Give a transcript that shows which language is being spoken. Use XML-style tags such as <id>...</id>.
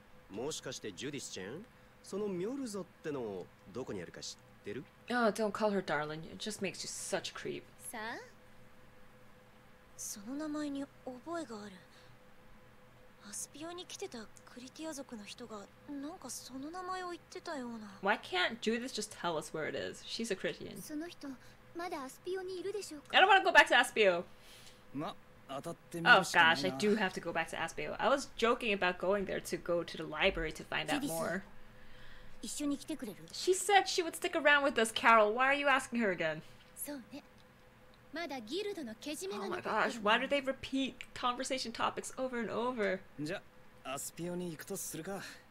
<ja>もしかしてジュディスちゃん、そのミョルソってのどこにあるか知ってる？</ja> <en>Oh, don't call her darling. It just makes you such a creep.</en> <ja>さあ、その名前に覚えがある。アスピアに来てたクリティア族の人がなんかその名前を言ってたような。</ja> <en>Why can't Judith just tell us where it is? She's a Christian.</en> <ja>その人まだアスピアにいるでしょうか。</ja> <en>I don't want to go back to Aspio.</en> <ja>ま、当たってみましたね。</ja> <en>Oh gosh, I do have to go back to Aspio. I was joking about going there to go to the library to find out more.</en> <ja>一緒に来てくれる。</ja> <en>She said she would stick around with us, Carol. Why are you asking her again?</en> <ja>そうね。まだギルドのけじめなの。</ja> <en>Oh my gosh, why do they repeat conversation topics over and over?</en> <ja>じゃ、アスピオに行くとするか。</ja>